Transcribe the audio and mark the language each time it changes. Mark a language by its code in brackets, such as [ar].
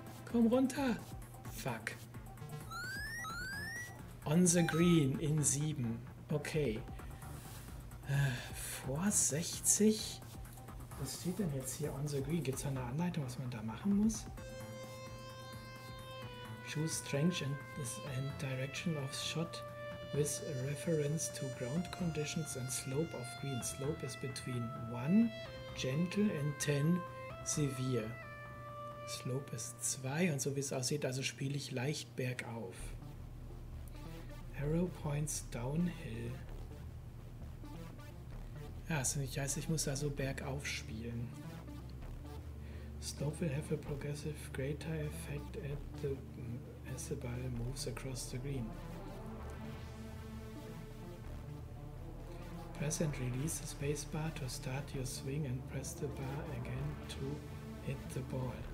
[de] Komm runter. Fuck. [en] On the green in 7. Okay. [de] Vor 60? Was steht denn jetzt hier [en] on the green? [de] Gibt es da eine Anleitung, was man da machen muss? [en] Choose strength and direction of shot with reference to ground conditions and slope of green. Slope is between 1, gentle and 10, severe. [de] Slope ist 2 und so wie es aussieht, also spiele ich leicht bergauf. [en] Arrow points downhill. [de] Ja, das heißt, ich muss da so bergauf spielen. [en] Slope will have a progressive greater effect as the ball moves across the green. Press and release the spacebar to start your swing and press the bar again to hit the ball.